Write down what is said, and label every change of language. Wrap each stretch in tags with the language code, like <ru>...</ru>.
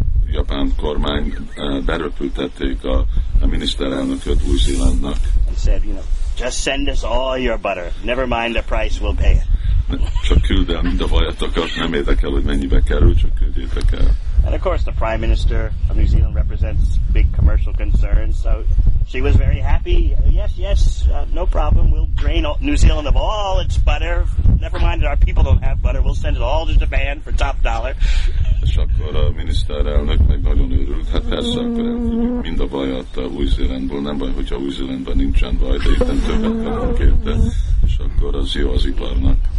<hu>Japán kormány beröpültették a miniszterelnököt Új-Zélandnak.</hu> <en>And said, you know, just send us all your butter. Never mind the price, we'll pay it.</en> <hu>Csak küld el mind a vajatokat, nem érdekel, hogy mennyibe kerül, csak küldjétek el.</hu> <en>And of course, the Prime Minister of New Zealand represents big commercial concerns, so she was very happy. Yes, no problem. We'll drain New Zealand of all its butter. Never mind that our people don't have butter. We'll send it all to Japan for top dollar.</en> <hu>És akkor a miniszterelnök meg nagyon őrült. Hát persze, akkor mind a vajat a Új-Zélandból. Nem baj, hogyha Új-Zélandban nincsen vaj, de itt nem többet kapunk érte. És akkor az jó az iparnak.</hu>